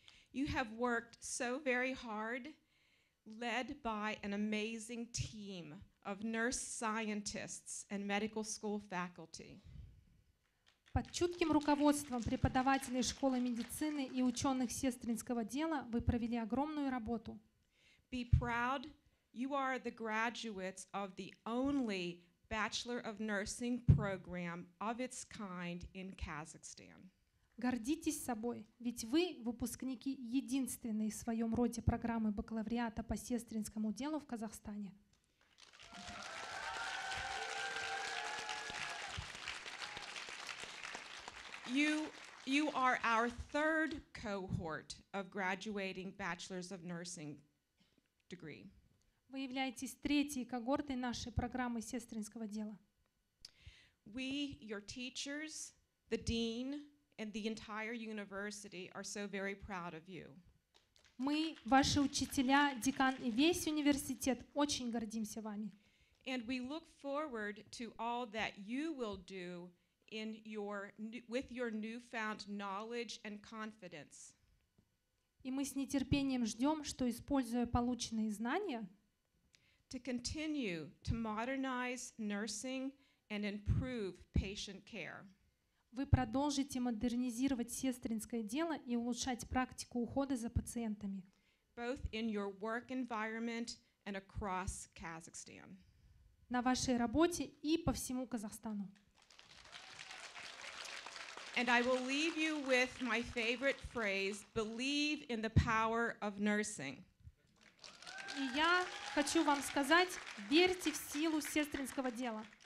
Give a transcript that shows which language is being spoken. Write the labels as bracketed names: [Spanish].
[English] You have worked so very hard, led by an amazing team of nurse scientists and medical school faculty. [Russian] Под чутким руководством преподавателей школы медицины и ученых сестринского дела вы провели огромную работу. [English] Be proud, you are the graduates of the only Bachelor of Nursing program of its kind in Kazakhstan. [Russian] Гордитесь собой, ведь вы выпускники единственной в своем роде программы бакалавриата по сестринскому делу в Казахстане. [English] You are our third cohort of graduating bachelors of nursing degree. [Russian] Вы являетесь третьей когортой нашей программы сестринского дела. [English] We, your teachers, the dean, and the entire university are so very proud of you. [Russian] Мы, ваши учителя, декан и весь университет очень гордимся вами. [English] And we look forward to all that you will do in your with your newfound knowledge and confidence. [Russian] И мы с нетерпением ждем, что используя полученные знания, [English] to continue to modernize nursing and improve patient care. [Russian] Вы продолжите модернизировать сестринское дело и улучшать практику ухода за пациентами. [English] Both in your work environment and across Kazakhstan. [Russian] На вашей работе и по всему Казахстану. [English] And I will leave you with my favorite phrase, believe in the power of nursing. [Russian] И я хочу вам сказать, верьте в силу сестринского дела.